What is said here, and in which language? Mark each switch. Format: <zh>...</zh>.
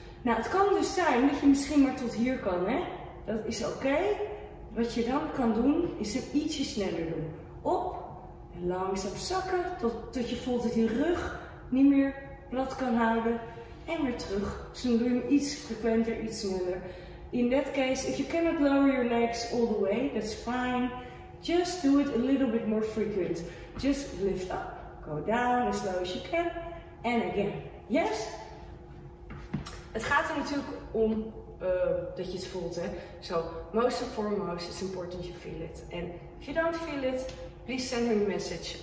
<nl>Nou, het kan dus zijn dat je misschien maar tot hier kan, hè. Dat is oké. Wat je dan kan doen, is het ietsje sneller doen. Op. Langzaam zakken tot je voelt dat je rug niet meer plat kan houden. En weer terug. Dus dan doe je hem iets frequenter, iets sneller.</nl> <en>In that case, if you cannot lower your legs all the way, that's fine. Just do it a little bit more frequent. Just lift up. Go down as low as you can. And again. Yes?</en> <nl>Het gaat er natuurlijk om dat je het voelt, hè.</nl> <en>So, most and foremost, it's important you feel it. And if you don't feel it, please send me a message.</en>